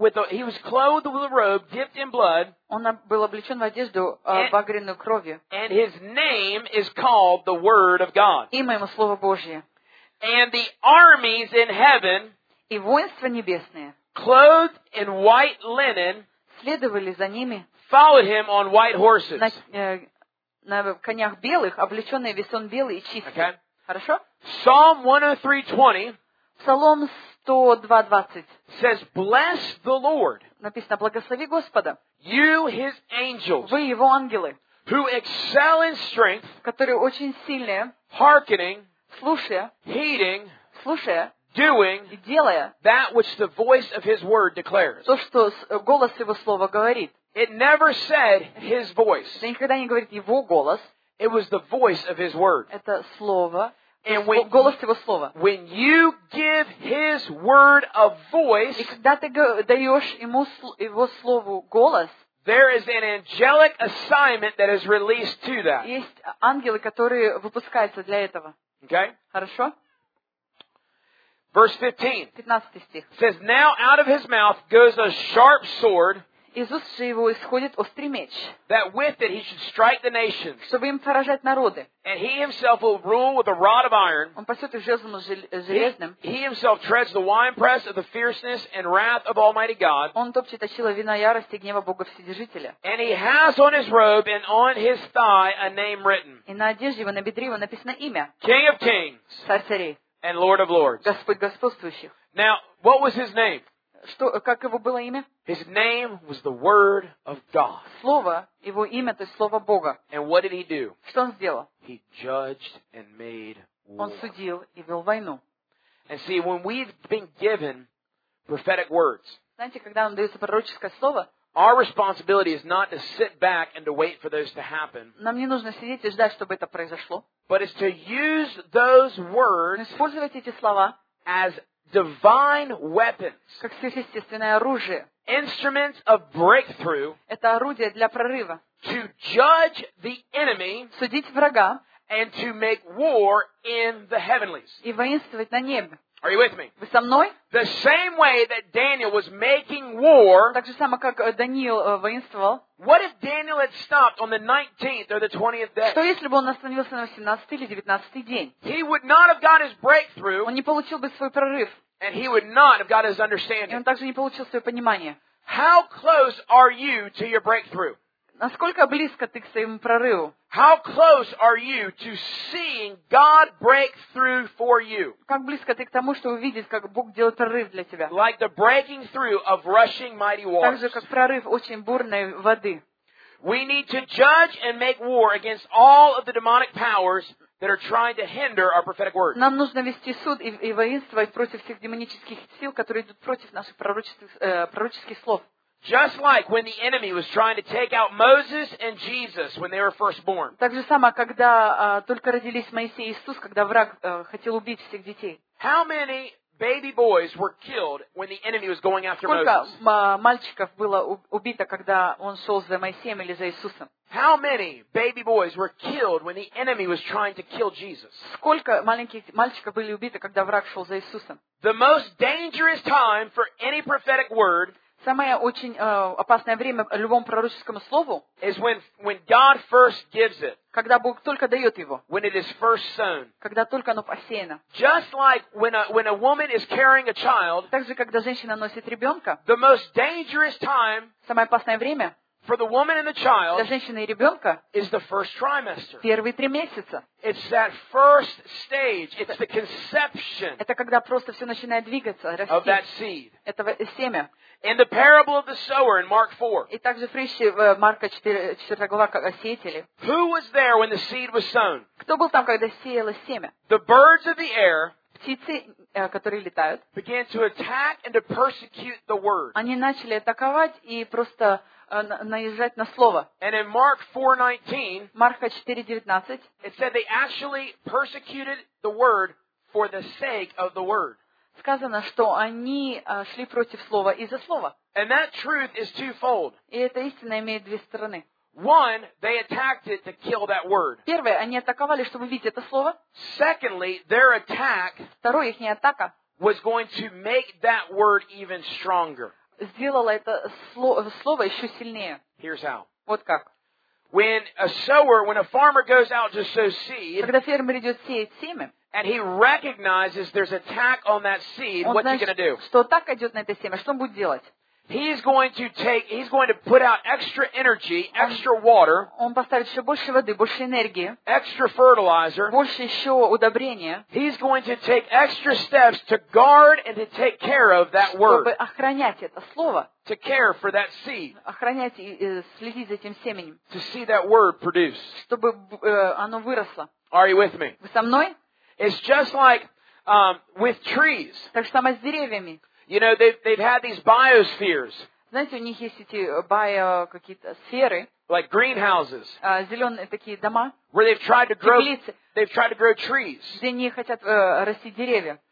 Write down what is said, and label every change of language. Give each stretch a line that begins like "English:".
English: He was clothed with a robe dipped in blood.
Russian: Он был облечен в одежду багряную кровью.
English: And his name is called the Word of God.
Russian: Имя ему Слово Божье.
English: And the armies in heaven.
Russian: И воинства небесные.
English: Clothed in white linen.
Russian: Следовали за ними.
English: Followed him on white horses.
Russian: На конях белых, облеченные весон белый и чистый.
English: Okay.
Russian: Хорошо?
English: Psalm 103:20.
Russian: Псалом 102:20.
English: Says, "Bless the Lord."
Russian: Написано: "Благослови Господа."
English: You His angels.
Russian: Вы Его ангелы.
English: Who excel in strength.
Russian: Которые очень сильные.
English: Hearkening.
Russian: Слушая.
English: Heeding.
Russian: Слушая.
English: Doing that which the voice of His word declares.
Russian: То, что голос Его слова говорит.
English: It never said His voice.
Russian: Это никогда не говорит Его голос.
English: It was the voice of His word.
Russian: Это слово.
English: And
Russian: голос Его слова.
English: When you give His word a voice,
Russian: и когда ты даешь ему Его слову голос,
English: there is an angelic assignment that is released to that.
Russian: Есть ангелы, которые выпускаются для этого.
English: Okay.
Russian: Хорошо.
English: Verse 15 says, "Now out of his mouth goes a sharp sword,
Russian: из уст его исходит острый меч,
English: that with it he should strike the nations,
Russian: чтобы им поражать народы.
English: And he himself will rule with a rod of iron.
Russian: Он пасет их жезлом железным.
English: He himself treads the winepress of the fierceness and wrath of Almighty God.
Russian: Он топчет очила вина ярости и гнева Бога Вседержителя.
English: And he has on his robe and on his thigh a name written.
Russian: И на одежде его, на бедре его написано имя.
English: King of kings.
Russian: Царь царей.
English: And Lord of Lords.
Russian: Господь господствующих.
English: Now, what was his name?
Russian: Что, как его было имя?
English: His name was the Word of God.
Russian: Слово, его имя, то есть Слово Бога.
English: And what did he do?
Russian: Что он сделал?
English: He judged and made war.
Russian: Он судил и вел войну.
English: And see, when we've been given prophetic words,
Russian: знаете, когда нам дается пророческое слово,
English: our responsibility is not to sit back and to wait for those to happen.
Russian: Нам не нужно сидеть и ждать, чтобы это произошло.
English: But it's to use those words.
Russian: Использовать эти слова.
English: As divine weapons.
Russian: Как сверхъестественное оружие.
English: Instruments of breakthrough.
Russian: Это орудие для прорыва.
English: To judge the enemy.
Russian: Судить врага.
English: And to make war in the heavenlies.
Russian: И воинствовать на небе.
English: Are you with me?
Russian: Вы со мной?
English: The same way that Daniel was making war.
Russian: Так же само, как Даниил воинствовал.
English: What if Daniel had stopped on the 19th or the 20th day?
Russian: Что если бы он остановился на 18 или 19 день?
English: He would not have got his breakthrough.
Russian: Он не получил бы свой прорыв.
English: And he would not have got his understanding.
Russian: И он также не получил свое понимание.
English: How close are you to your breakthrough?
Russian: Насколько близко ты к своему прорыву?
English: How close are you to seeing God break through for you?
Russian: Как близко ты к тому, чтобы увидеть, как Бог делает прорыв для тебя?
English: Like the breaking through of rushing mighty waters.
Russian: Так же, как прорыв очень бурной воды.
English: We need to judge and make war against all of the demonic powers that are trying to hinder our prophetic word.
Russian: Нам нужно вести суд и воинствовать против всех демонических сил, которые идут против наших пророческих слов.
English: Just like when the enemy was trying to take out Moses and Jesus when they were first born.
Russian: Так же само, когда только родились Моисей и Иисус, когда враг хотел убить всех детей.
English: How many baby boys were killed when the enemy was going after Moses?
Russian: Сколько мальчиков было убито, когда он шел за Моисеем или за Иисусом?
English: How many baby boys were killed when the enemy was trying to kill Jesus?
Russian: Сколько маленьких мальчиков были убиты, когда враг шел за Иисусом?
English: The most dangerous time for any prophetic word.
Russian: Самое очень опасное время любому пророческому слову
English: is when God first gives it.
Russian: Когда Бог только дает его.
English: When it is first sown.
Russian: Когда только оно посеяно.
English: Just like when a woman is carrying a child.
Russian: Так же, когда женщина носит ребенка.
English: The most dangerous time.
Russian: Самое опасное время.
English: For the woman and the child.
Russian: Для женщины и ребенка.
English: Is the first trimester.
Russian: Первые три месяца.
English: It's that first stage. It's the conception.
Russian: Это когда просто все начинает двигаться, расти.
English: Of that seed.
Russian: Этого семя.
English: In the parable of the sower in Mark 4.
Russian: И также в притче Марка 4 глава о сеятеле.
English: Who was there when the seed was sown?
Russian: Кто был там, когда сеялось семя?
English: The birds of the air.
Russian: Птицы, которые летают.
English: Began to attack and to persecute the word.
Russian: Они начали атаковать и просто наезжать на слово.
English: And in Mark 4:19.
Russian: Марка 4:19.
English: It said they actually persecuted the word for the sake of the word.
Russian: Сказано, что они шли против слова из-за слова.
English: And that truth is twofold.
Russian: И эта истина имеет две стороны.
English: One, they attacked it to kill that word.
Russian: Первое, они атаковали, чтобы убить это слово.
English: Secondly, their attack.
Russian: Второе, их атака.
English: Was going to make that word even stronger.
Russian: Сделало это слово еще сильнее.
English: Here's how.
Russian: Вот как.
English: When a sower, when a farmer goes out to sow seed.
Russian: Когда фермер идет сеять семя.
English: And he recognizes there's attack on that seed.
Russian: Он
English: what
Russian: знает,
English: is he going to do?
Russian: Что так идет на это семя? Что он будет делать?
English: He's going to put out extra energy, extra water.
Russian: Он поставит еще больше воды, больше энергии.
English: Extra fertilizer.
Russian: Больше еще удобрения.
English: He's going to take extra steps to guard and to take care of that word.
Russian: Чтобы охранять это слово.
English: To care for that seed.
Russian: Охранять и следить за этим семенем.
English: To see that word produce.
Russian: Чтобы оно выросло.
English: Are you with me?
Russian: Вы со мной?
English: It's just like with trees.
Russian: Так же самое с деревьями.
English: You know, they've had these biospheres.
Russian: Знаете, у них есть эти био какие-то сферы.
English: Like greenhouses.
Russian: Зеленые такие дома.
English: Where they've tried to grow. They've tried to grow trees.
Russian: Где они хотят расти деревья.